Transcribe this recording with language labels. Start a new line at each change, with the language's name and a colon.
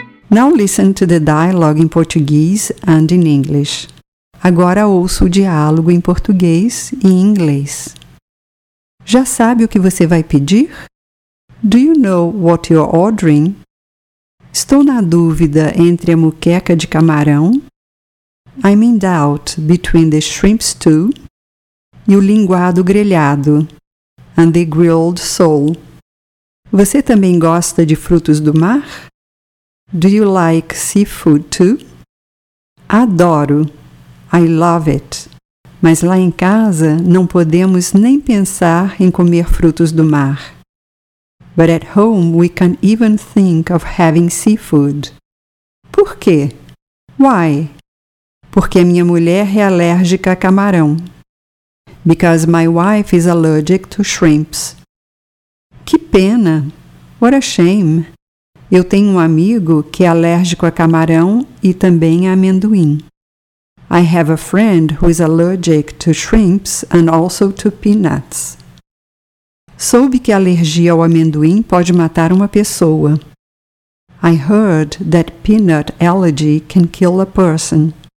English: Now listen to the dialogue in Portuguese and in English.
Portuguese: Agora ouça o diálogo em português e em inglês. Já sabe o que você vai pedir?
English: Do you know what you're ordering?
Portuguese: Estou na dúvida entre a moqueca de camarão,
English: I'm in doubt between the shrimp stew,
Portuguese: e o linguado grelhado,
English: and the grilled sole.
Portuguese: Você também gosta de frutos do mar?
English: Do you like seafood too?
Portuguese: Adoro,
English: I love it,
Portuguese: mas lá em casa não podemos nem pensar em comer frutos do mar.
English: But at home we can't even think of having seafood.
Portuguese: Por quê?
English: Why?
Portuguese: Porque minha mulher é alérgica a camarão.
English: Because my wife is allergic to shrimps.
Portuguese: Que pena!
English: What a shame!
Portuguese: Eu tenho um amigo que é alérgico a camarão e também a amendoim.
English: I have a friend who is allergic to shrimps and also to peanuts.
Portuguese: Soube que a alergia ao amendoim pode matar uma pessoa.
English: I heard that peanut allergy can kill a person.